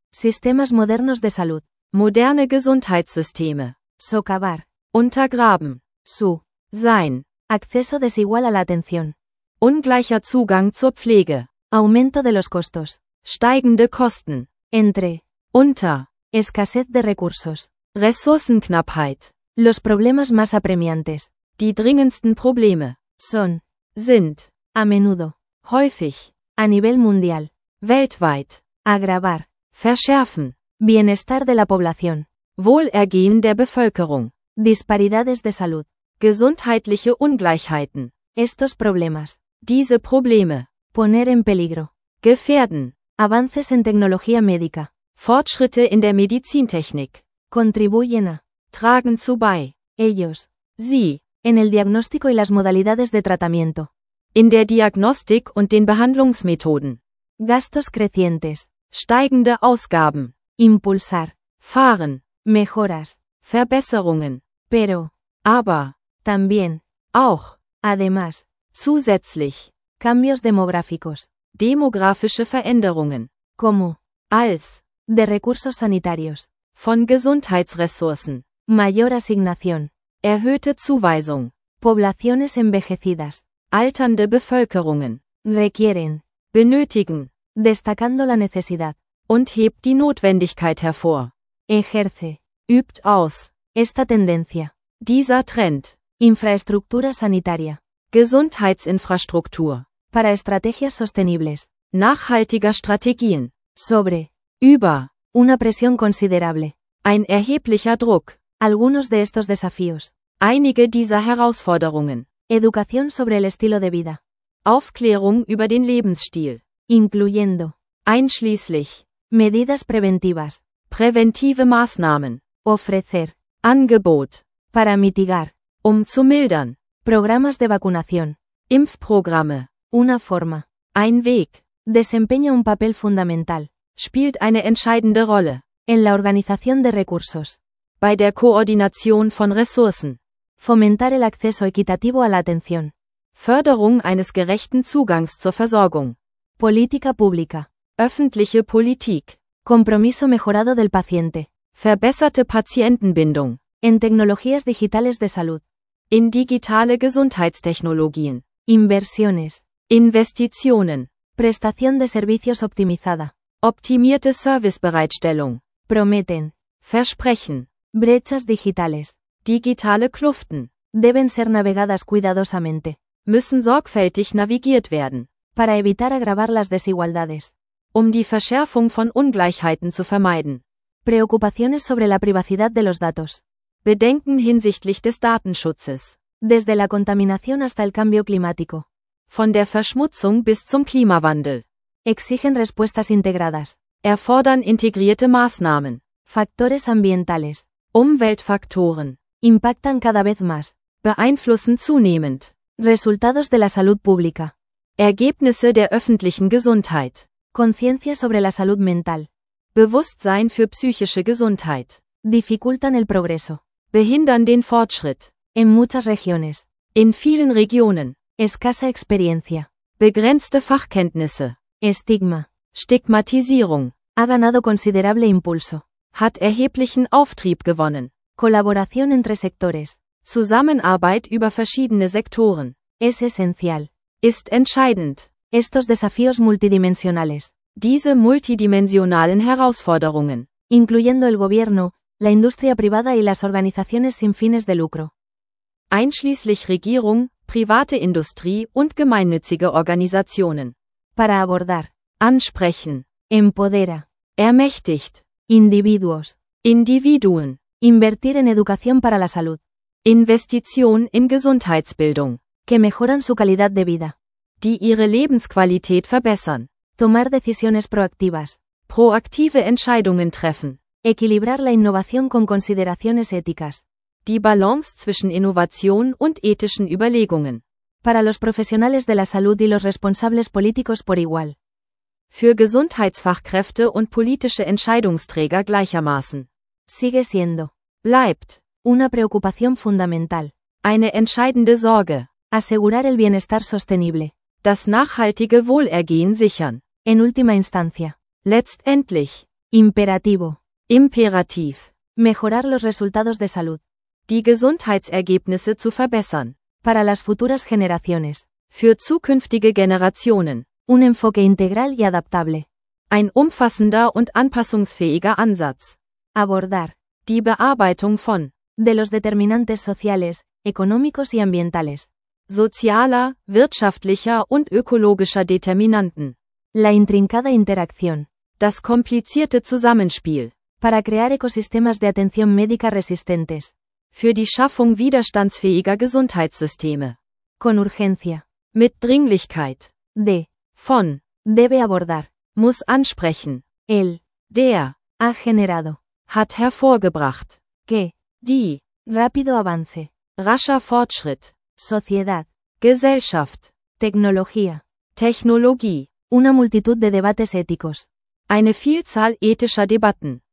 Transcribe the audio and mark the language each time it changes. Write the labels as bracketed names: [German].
[Spanish] Sistemas modernos de salud. [German] Moderne Gesundheitssysteme. [Spanish] Socavar. [German] Untergraben. [Spanish] Su. [German] Sein. [Spanish] Acceso desigual a la atención. [German] Ungleicher Zugang zur Pflege. [Spanish] Aumento de los costos. [German] Steigende Kosten. [Spanish] Entre. [German] Unter. [Spanish] Escasez de recursos. [German] Ressourcenknappheit. [Spanish] Los problemas más apremiantes. [German] Die dringendsten Probleme. [Spanish] Son. [German] Sind. [Spanish] A menudo. [German] Häufig. [Spanish] A nivel mundial. [German] Weltweit. [Spanish] Agravar. [German] Verschärfen. [Spanish] Bienestar de la población. [German] Wohlergehen der Bevölkerung. [Spanish] Disparidades de salud. [German] Gesundheitliche Ungleichheiten. [Spanish] Estos problemas. [German] Diese Probleme. [Spanish] Poner en peligro. [German] Gefährden. [Spanish] Avances en tecnología médica. [German] Fortschritte in der Medizintechnik. [Spanish] Contribuyen a. [German] Tragen zu bei. [Spanish] Ellos. [German] Sie. [Spanish] En el diagnóstico y las modalidades de tratamiento. [German] In der Diagnostik und den Behandlungsmethoden. [Spanish] Gastos crecientes. [German] Steigende Ausgaben. [Spanish] Impulsar. [German] Fahren. [Spanish] Mejoras. [German] Verbesserungen. [Spanish] Pero. [German] Aber. [Spanish] También. [German] Auch. [Spanish] Además. [German] Zusätzlich. [Spanish] Cambios demográficos. [German] Demografische Veränderungen. [Spanish] Como. [German] Als. [Spanish] De recursos sanitarios. [German] Von Gesundheitsressourcen. [Spanish] Mayor asignación. [German] Erhöhte Zuweisung. [Spanish] Poblaciones envejecidas. [German] Alternde Bevölkerungen. [Spanish] Requieren. [German] Benötigen. [Spanish] Destacando la necesidad. [German] Und hebt die Notwendigkeit hervor. [Spanish] Ejerce. [German] Übt aus. [Spanish] Esta tendencia. [German] Dieser Trend. [Spanish] Infraestructura sanitaria. [German] Gesundheitsinfrastruktur. [Spanish] Para estrategias sostenibles. [German] Nachhaltiger Strategien. [Spanish] Sobre. [German] Über. [Spanish] Una presión considerable. [German] Ein erheblicher Druck. [Spanish] Algunos de estos desafíos. [German] Einige dieser Herausforderungen. [Spanish] Educación sobre el estilo de vida. [German] Aufklärung über den Lebensstil. [Spanish] Incluyendo. [German] Einschließlich. [Spanish] Medidas preventivas. [German] Präventive Maßnahmen. [Spanish] Ofrecer. [German] Angebot. [Spanish] Para mitigar. [German] Um zu mildern. [Spanish] Programas de vacunación. [German] Impfprogramme. [Spanish] Una forma. [German] Ein Weg. [Spanish] Desempeña un papel fundamental. [German] Spielt eine entscheidende Rolle. [Spanish] En la organización de recursos. [German] Bei der Koordination von Ressourcen. [Spanish] Fomentar el acceso equitativo a la atención. [German] Förderung eines gerechten Zugangs zur Versorgung. [Spanish] Política pública. [German] Öffentliche Politik. [Spanish] Compromiso mejorado del paciente. [German] Verbesserte Patientenbindung. [Spanish] En tecnologías digitales de salud. [German] In digitale Gesundheitstechnologien. [Spanish] Inversiones. [German] Investitionen. [Spanish] Prestación de servicios optimizada. [German] Optimierte Servicebereitstellung. [Spanish] Prometen. [German] Versprechen. [Spanish] Brechas digitales. [German] Digitale Kluften. [Spanish] Deben ser navegadas cuidadosamente. [German] Müssen sorgfältig navigiert werden. [Spanish] Para evitar agravar las desigualdades. [German] Um die Verschärfung von Ungleichheiten zu vermeiden. [Spanish] Preocupaciones sobre la privacidad de los datos. [German] Bedenken hinsichtlich des Datenschutzes. [Spanish] Desde la contaminación hasta el cambio climático. [German] Von der Verschmutzung bis zum Klimawandel. [Spanish] Exigen respuestas integradas. [German] Erfordern integrierte Maßnahmen. [Spanish] Factores ambientales. [German] Umweltfaktoren. [Spanish] Impactan cada vez más. [German] Beeinflussen zunehmend. [Spanish] Resultados de la salud pública. [German] Ergebnisse der öffentlichen Gesundheit. [Spanish] Conciencia sobre la salud mental. [German] Bewusstsein für psychische Gesundheit. [Spanish] Dificultan el progreso. [German] Behindern den Fortschritt. [Spanish] En muchas regiones. [German] In vielen Regionen. [Spanish] Escasa experiencia. [German] Begrenzte Fachkenntnisse. [Spanish] Estigma. [German] Stigmatisierung. [Spanish] Ha ganado considerable impulso. [German] Hat erheblichen Auftrieb gewonnen. [Spanish] Colaboración entre sectores. [German] Zusammenarbeit über verschiedene Sektoren. [Spanish] Es esencial. [German] Ist entscheidend. [Spanish] Estos desafíos multidimensionales. [German] Diese multidimensionalen Herausforderungen. [Spanish] Incluyendo el gobierno, la industria privada y las organizaciones sin fines de lucro. [German] Einschließlich Regierung, private Industrie und gemeinnützige Organisationen. [Spanish] Para abordar. [German] Ansprechen. [Spanish] Empodera. [German] Ermächtigt. [Spanish] Individuos. [German] Individuen. [Spanish] Invertir en educación para la salud. [German] Investition in Gesundheitsbildung. [Spanish] Que mejoran su calidad de vida. [German] Die ihre Lebensqualität verbessern. [Spanish] Tomar decisiones proactivas. [German] Proaktive Entscheidungen treffen. [Spanish] Equilibrar la innovación con consideraciones éticas. [German] Die Balance zwischen Innovation und ethischen Überlegungen. [Spanish] Para los profesionales de la salud y los responsables políticos por igual. [German] Für Gesundheitsfachkräfte und politische Entscheidungsträger gleichermaßen. [Spanish] Sigue siendo. [German] Bleibt. [Spanish] Una preocupación fundamental. [German] Eine entscheidende Sorge. [Spanish] Asegurar el bienestar sostenible. [German] Das nachhaltige Wohlergehen sichern. [Spanish] En última instancia. [German] Letztendlich. [Spanish] Imperativo. [German] Imperativ. [Spanish] Mejorar los resultados de salud. [German] Die Gesundheitsergebnisse zu verbessern. [Spanish] Para las futuras generaciones. [German] Für zukünftige Generationen. [Spanish] Un enfoque integral y adaptable. [German] Ein umfassender und anpassungsfähiger Ansatz. [Spanish] Abordar. [German] Die Bearbeitung von. [Spanish] De los determinantes sociales, económicos y ambientales. [German] Sozialer, wirtschaftlicher und ökologischer Determinanten. [Spanish] La intrincada interacción. [German] Das komplizierte Zusammenspiel. [Spanish] Para crear ecosistemas de atención médica resistentes. [German] Für die Schaffung widerstandsfähiger Gesundheitssysteme. [Spanish] Con urgencia. [German] Mit Dringlichkeit. [Spanish] De. [German] Von. [Spanish] Debe abordar. [German] Muss ansprechen. [Spanish] El. [German] Der. [Spanish] Ha generado. [German] Hat hervorgebracht. [Spanish] Que. [German] Die. [Spanish] Rápido avance. [German] Rascher Fortschritt. [Spanish] Sociedad. [German] Gesellschaft. [Spanish] Tecnología. [German] Technologie. [Spanish] Una multitud de debates éticos. [German] Eine Vielzahl ethischer Debatten.